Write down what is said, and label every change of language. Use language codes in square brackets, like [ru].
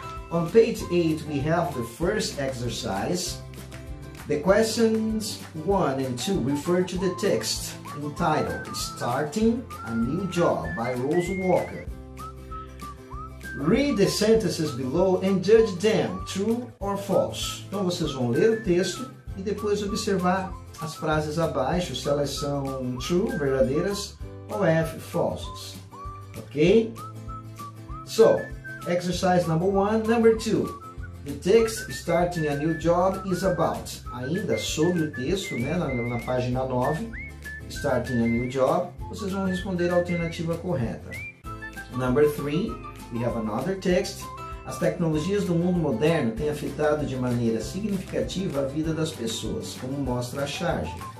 [en] On page 8, we have the first exercise. The questions 1 and 2 refer to the text entitled Starting a New Job by Rose Walker. Read the sentences below and judge them, true or false. [pt] Então, vocês vão ler o texto e depois observar as frases abaixo, se elas são true, verdadeiras, ou F, falsas. [en] Ok? So, exercise number 1. Number 2. The text Starting a New Job is about. [pt] Ainda sobre o texto, né, na página 9, Starting a New Job, vocês vão responder a alternativa correta. [en] Number 3. We have another text. [pt] As tecnologias do mundo moderno têm afetado de maneira significativa a vida das pessoas, como mostra a charge.